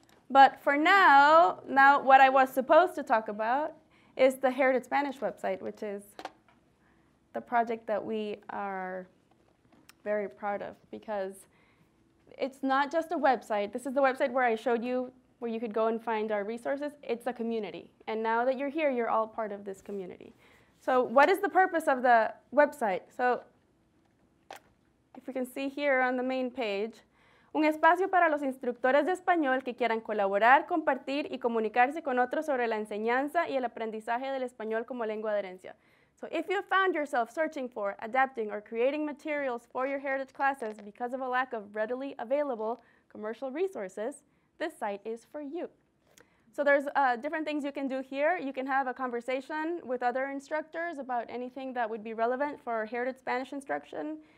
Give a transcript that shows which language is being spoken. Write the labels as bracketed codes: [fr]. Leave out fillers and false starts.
[en] But for now, what I was supposed to talk about is the Heritage Spanish website, which is the project that we are very proud of, because it's not just a website. This is the website where I showed you where you could go and find our resources. It's a community. And now that you're here, you're all part of this community. So what is the purpose of the website? So if we can see here on the main page, [es] un espacio para los instructores de español que quieran colaborar, compartir, y comunicarse con otros sobre la enseñanza y el aprendizaje del español como lengua de herencia. [en] So if you found yourself searching for, adapting, or creating materials for your heritage classes because of a lack of readily available commercial resources, this site is for you. So there's different things you can do here. You can have a conversation with other instructors about anything that would be relevant for Heritage Spanish instruction.